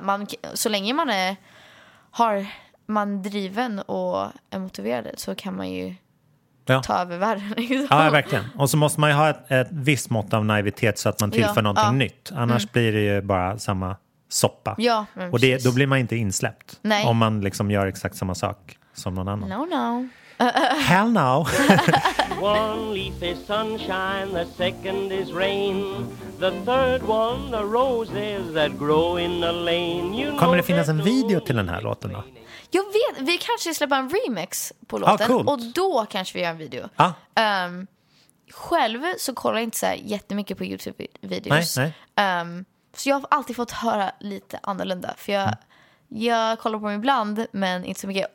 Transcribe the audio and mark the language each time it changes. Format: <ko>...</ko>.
<sv>Man, så länge man är, har... man driven och är motiverad, så kan man ju, ja, ta över världen. Liksom. Ja, verkligen. Och så måste man ju ha ett visst mått av naivitet, så att man tillför, ja, någonting, ja, nytt. Annars blir det ju bara samma soppa. Ja, och det, då blir man inte insläppt. Nej. Om man liksom gör exakt samma sak som någon annan.</sv> <en>No, no. Hell no. One leaf is sunshine, the second is rain, the third one the roses that grow in the lane. You know,</en> <sv>kommer det finnas en video till den här låten då? Jag vet, vi kanske släpper en remix på låten. Ah, och då kanske vi gör en video. Ah. Själv så kollar jag inte så här jättemycket på YouTube-videos. Nej, nej. Så jag har alltid fått höra lite annorlunda. För jag, jag kollar på dem ibland, men inte så mycket.</sv>